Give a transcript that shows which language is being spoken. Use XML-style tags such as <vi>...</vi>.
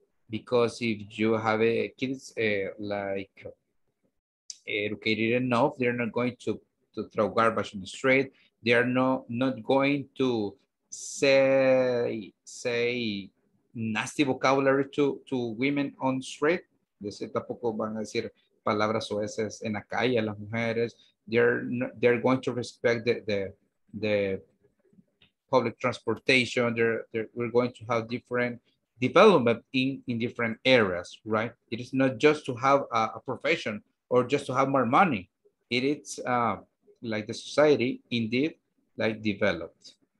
<en>Because if you have kids like educated enough, they're not going to throw garbage in the street. They are not going to say nasty vocabulary to women on the street.</en> <es>Tampoco van a decir palabras oeces en la calle a las mujeres.</es> <en>They're going to respect the public transportation, we're going to have different development in different areas, right? It is not just to have a profession or just to have more money. It is like the society indeed like developed.</en>